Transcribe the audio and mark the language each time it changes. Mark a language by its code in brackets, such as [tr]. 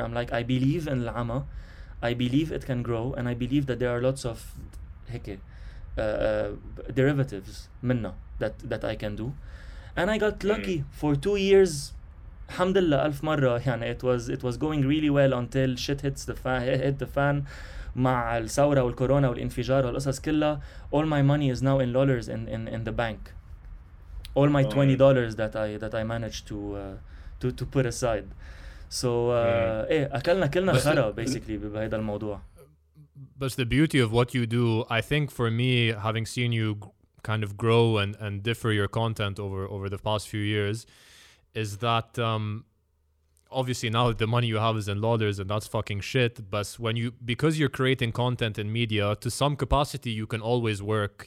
[en] I'm like, I believe in العمى. I believe it can grow. And I believe that there are lots of derivatives [ar] منه [en] that I can do. And I got lucky for 2 years. [ar] الحمد لله ألف مرة. يعني [en] it was going really well until shit hit the fan. [ar] مع الثورة والكورونا والانفجار والقصص كلها. [en] All my money is now in dollars in the bank. All my $20 that I managed to put aside. So [ar] أكلنا كلنا خرا [en] basically [ar] بهذا الموضوع. [en] But the beauty of what you do, I think for me, having seen you kind of grow and differ your content over the past few years, is that obviously now the money you have is in dollars and that's fucking shit. But because you're creating content in media, to some capacity you can always work.